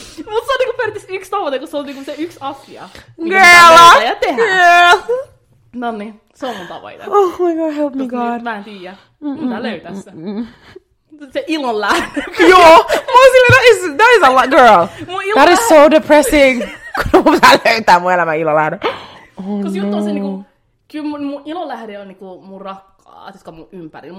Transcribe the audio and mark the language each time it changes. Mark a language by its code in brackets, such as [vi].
[fi] Mut se on niinku periaatteessa 1 tavoite, kun se on niinku se 1 asia, mikä pitää löytää ja tehdä. Nonni, se on mun tavoite. [en] Oh my god, help me god. [fi] Mä en tiedä, mitä löytää se. Se ilon lähde. Joo, mä oon silleen, [en] that is a lot, girl. That is so depressing. [fi] Kun mun pitää löytää mun elämän ilon lähde. Koska juttu on se, niinku, kyllä mun ilon lähde on niinku, mun rakkaat, jotka on mun ympärillä.